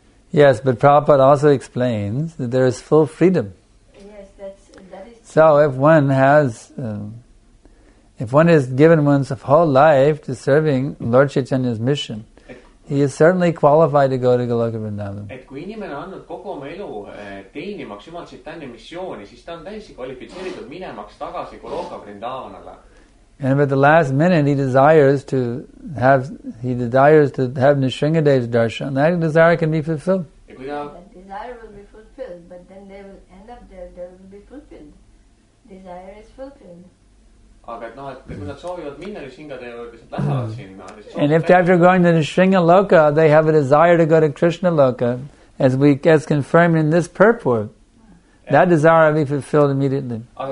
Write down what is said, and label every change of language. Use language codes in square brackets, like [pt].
[en] Yes, but Prabhupada also explains that there is full freedom. Yes, that is true. So if one has, if one is given one's whole life to serving Lord Chaitanya's mission, he is certainly qualified to go to Goloka Vrindavan. [et] Et kui inimene annab kogu oma elu teenimaks Jumal Chaitanya missiooni, siis ta on täiesti kvalifitseeritud minemaks tagasi Goloka Vrindavanale. [en] And at the last minute, he desires to have Nrisimhadev's darshan. That desire can be fulfilled. That desire will be fulfilled, but then they will end up there. They will be fulfilled. Desire is fulfilled. And if after going to Nrisimhaloka, they have a desire to go to Krishna Loka, as confirmed in this purport, that desire will be fulfilled immediately.